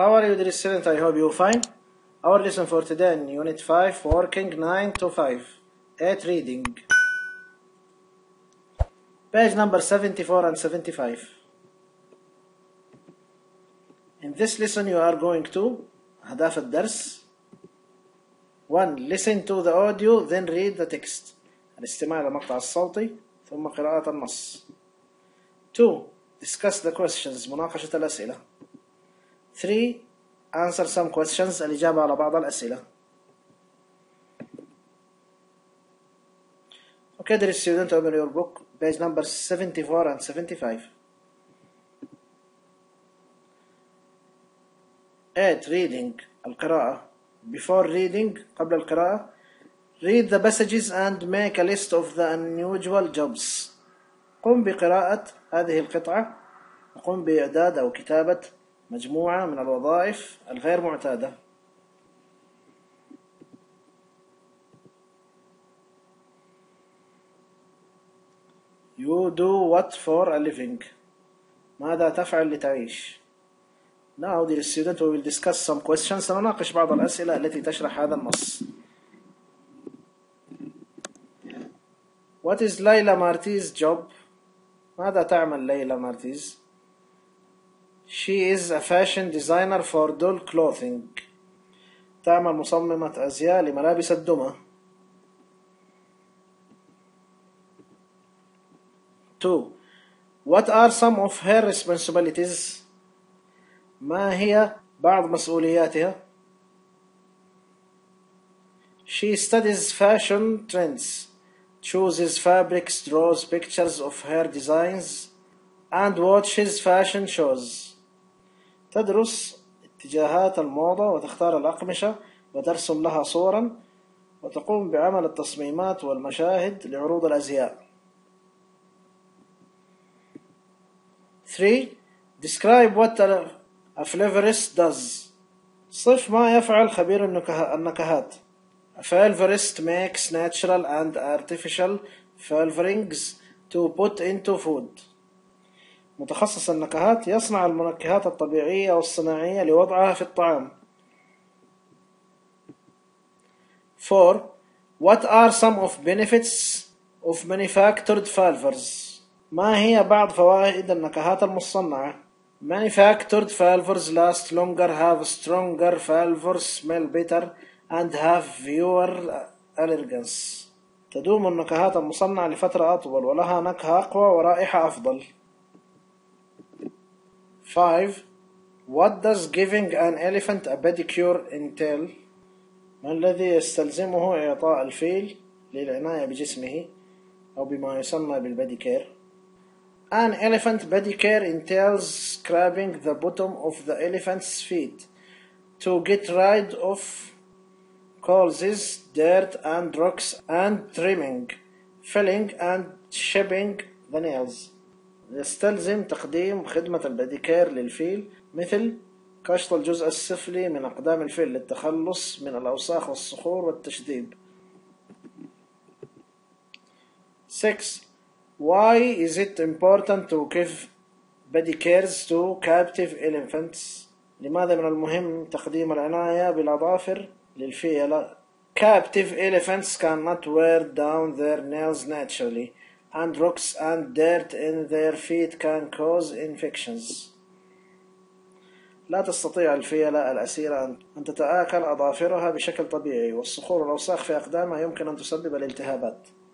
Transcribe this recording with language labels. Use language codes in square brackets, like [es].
[en] How are you, dear student? I hope you're fine. Our lesson for today, Unit 5, Working 9 to 5. 8 Reading. Page number 74 and 75. In this lesson, you are going to [ar] هدف الدرس. [en] 1. Listen to the audio, then read the text. [ar] الاستماع للمقطع الصوتي, ثم قراءة النص. [en] 2. Discuss the questions. [ar] مناقشة الأسئلة. [en] 3. Answer some questions. [ar] الإجابة على بعض الأسئلة. [en] Okay, there is student, open your book. Page number 74 and 75. 8. Reading. [ar] القراءة. [en] Before reading, [ar] قبل القراءة, [en] read the passages and make a list of the unusual jobs. [ar] قم بقراءة هذه القطعة وقم بإعداد أو كتابة مجموعة من الوظائف الغير معتادة. [en] You do what for a living? [ar] ماذا تفعل لتعيش؟ [en] Now, dear student, we will discuss some questions. [ar] سنناقش بعض الأسئلة التي تشرح هذا النص. [en] What is ليلى Martinez job? [ar] ماذا تعمل ليلى مارتيز؟ [en] She is a fashion designer for doll clothing. [ar] تعمل مصممة أزياء لملابس الدمى. [en] 2. What are some of her responsibilities? [ar] ما هي بعض مسؤولياتها؟ [en] She studies fashion trends, chooses fabrics, draws pictures of her designs, and watches fashion shows. [ar] تدرس اتجاهات الموضة وتختار الأقمشة وترسم لها صورا وتقوم بعمل التصميمات والمشاهد لعروض الأزياء. [en] 3. Describe what a flavorist does. [ar] صف ما يفعل خبير النكهات. [en] A flavorist makes natural and artificial flavorings to put into food. [ar] متخصص النكهات يصنع المنكهات الطبيعية والصناعية لوضعها في الطعام. [en] 4. What are some of benefits of manufactured flavors? [ar] ما هي بعض فوائد النكهات المصنعة؟ [en] Manufactured flavors last longer, have stronger flavors, smell better, and have fewer allergens. [ar] تدوم النكهات المصنعة لفترة أطول ولها نكهة أقوى ورائحة أفضل. [en] 5. What does giving an elephant a pedicure entail? [ar] ما الذي يستلزمه إعطاء الفيل للعناية بجسمه أو بما يسمى بالبديكير؟ [en] An elephant pedicure entails scrubbing the bottom of the elephant's feet to get rid of calluses, dirt and rocks and trimming, filling and shaping the nails. [ar] يستلزم تقديم خدمة البديكير للفيل مثل كشط الجزء السفلي من أقدام الفيل للتخلص من الأوساخ والصخور والتشذيب. [en] 6. Why is it important to give bedicures to captive elephants? [ar] لماذا من المهم تقديم العناية بالأظافر للفيل؟ [en] Captive elephants cannot wear down their nails naturally, and rocks and dirt in their feet can cause infections. [ar] لا تستطيع الفيلة الأسيرة أن تتآكل أظافرها بشكل طبيعي, والصخور والأوساخ في أقدامها يمكن أن تسبب الالتهابات.